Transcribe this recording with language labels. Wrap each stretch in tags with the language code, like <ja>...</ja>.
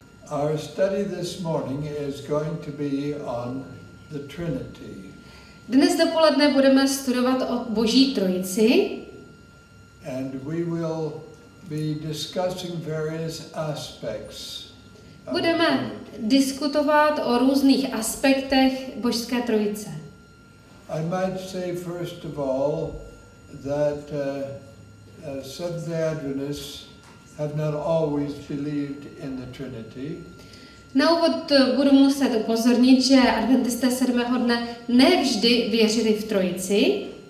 <en>Our study this morning is going to be on the Trinity.</en> <cs>Dnes dopoledne budeme studovat o Boží Trojici.</cs> <en>And we will be discussing various aspects.</en> <cs>Budeme diskutovat o různých aspektech Božské Trojice.</cs> <en>I might say first of all that Seventh-day Adventists have not always believed in the Trinity.</en> <cs>Na úvod budu muset upozornit, že adventisté sedmého dne ne vždy věřili v Trojici.</cs>